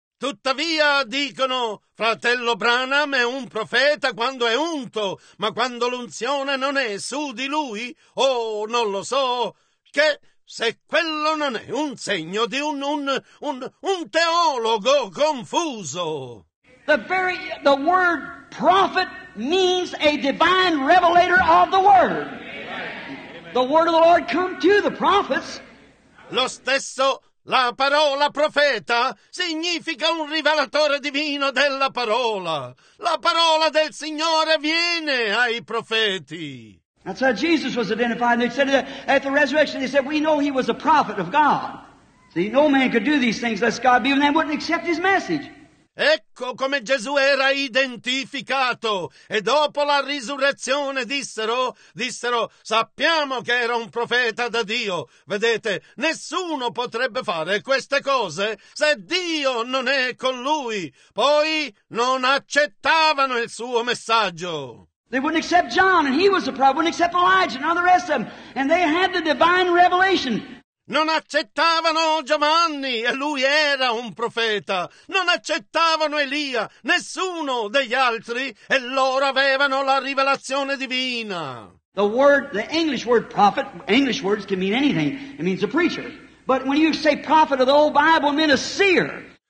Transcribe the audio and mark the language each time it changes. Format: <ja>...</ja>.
<it>Tuttavia, dicono, fratello Branham è un profeta quando è unto, ma quando l'unzione non è su di lui, oh, non lo so, che se quello non è un segno di un teologo confuso.</it> <en>The word prophet means a divine revelator of the word. Amen. The word of the Lord come to the prophets.</en> <it>Lo stesso la parola profeta significa un rivelatore divino della parola. La parola del Signore viene ai profeti.</it> <en>That's how Jesus was identified. And they said that at the resurrection, they said, we know he was a prophet of God. See, no man could do these things lest God be, and they wouldn't accept his message.</en> <it>Ecco come Gesù era identificato. E dopo la risurrezione dissero, sappiamo che era un profeta da Dio. Vedete, nessuno potrebbe fare queste cose se Dio non è con lui. Poi non accettavano il suo messaggio.</it> <en>They wouldn't accept John, and he was the prophet. Wouldn't accept Elijah, and all the rest of them. And they had the divine revelation.</en> <it>Non accettavano Giovanni, e lui era un profeta. Non accettavano Elia, nessuno degli altri, e loro avevano la rivelazione divina.</it> <en>The word, the English word prophet, English words can mean anything. It means a preacher. But when you say prophet of the old Bible, it means a seer.</en>